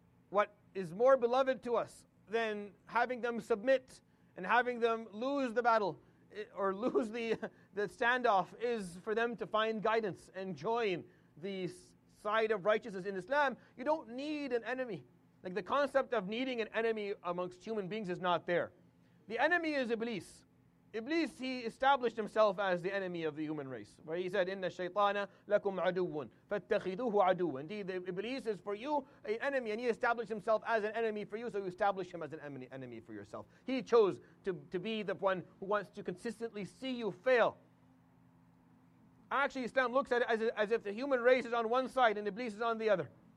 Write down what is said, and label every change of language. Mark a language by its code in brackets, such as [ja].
[en] What is more beloved to us than having them submit and having them lose the battle or lose the standoff is for them to find guidance and join the side of righteousness in Islam. You don't need an enemy. Like the concept of needing an enemy amongst human beings is not there. The enemy is Iblis. Iblis, he established himself as the enemy of the human race. Where he said, [ar] إِنَّ الشَّيْطَانَ لَكُمْ عَدُوٌ فَاتَّخِذُوهُ عَدُوٌ. [en] Indeed, Iblis is for you an enemy, and he established himself as an enemy for you, so you establish him as an enemy for yourself. He chose to be the one who wants to consistently see you fail. Actually, Islam looks at it as if the human race is on one side and Iblis is on the other.